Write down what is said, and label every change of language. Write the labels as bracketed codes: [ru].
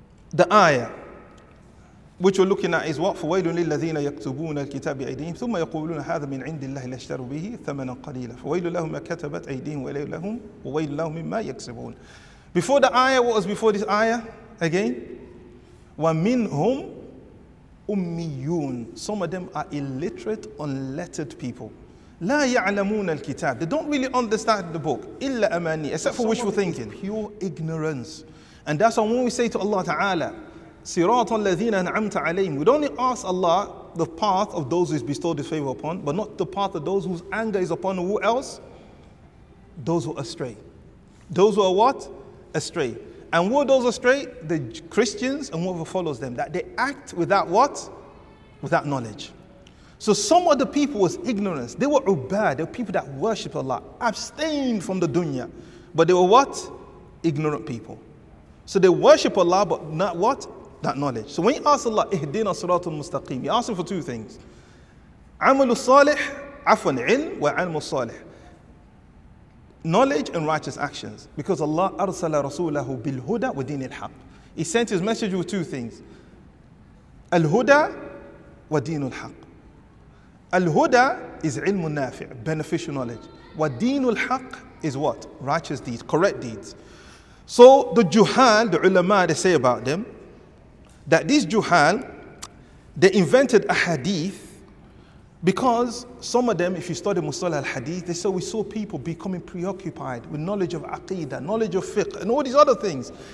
[en] The ayah which we're looking at is what? [ar] فَوَيْلٌ لِلَّذِينَ يَكْتُبُونَ الْكِتَابِ أَيْدِيهِمْ ثُمَّ يَقُولُونَ هَذَا مِنْ عِنْدِ اللَّهِ لَاشْتَرُوا بِهِ ثَمَنًا قَلِيلًا فَوَيْلٌ لَهُمْ مَا كَتَبَتْ أَيْدِيهِمْ وَوَيْلٌ لَهُمْ مِمَّا يَكْسِبُونَ. [en] Before the ayah, what was before this ayah? [ar] Again, وَمِنْهُمْ أُمِّيُّونَ. [en] Some of them are illiterate, unlettered people. [ar] لا يعلمون الكتاب. [en] They don't really understand the book. [ar] إلا أماني. [en] Except for wishful thinking. Pure ignorance. And that's why when we say to Allah Ta'ala, [ar] صراط الذين أنعمت عليهم, [en] we don't ask Allah the path of those who is bestowed his favor upon, but not the path of those whose anger is upon who else? Those who are astray. Those who are what? Astray. And who are those astray? The Christians and whoever follows them. That they act without what? Without knowledge. So some of the people was ignorance. They were ubad. They were people that worshipped Allah, abstained from the dunya. But they were what? Ignorant people. So they worship Allah, but not what? That knowledge. So when you ask Allah, [ar] اهدنا صراط المستقيم, [en] you ask him for two things. [ar] عمل الصالح, عفوا, علم وعلم الصالح. [en] Knowledge and righteous actions. Because [ar] Allah أرسل رسوله بالهدى ودين الحق. [en] He sent his message with two things. [ar] الهدى ودين الحق. Al-huda is ilmun nafi', [en] beneficial knowledge. [ar] Wa deenul haq [en] is what? Righteous deeds, correct deeds. So the juhal, the ulama, they say about them, that these juhal, they invented a hadith because some of them, if you study Mustalah al-Hadith, they say we saw people becoming preoccupied with knowledge of aqidah, knowledge of fiqh, and all these other things.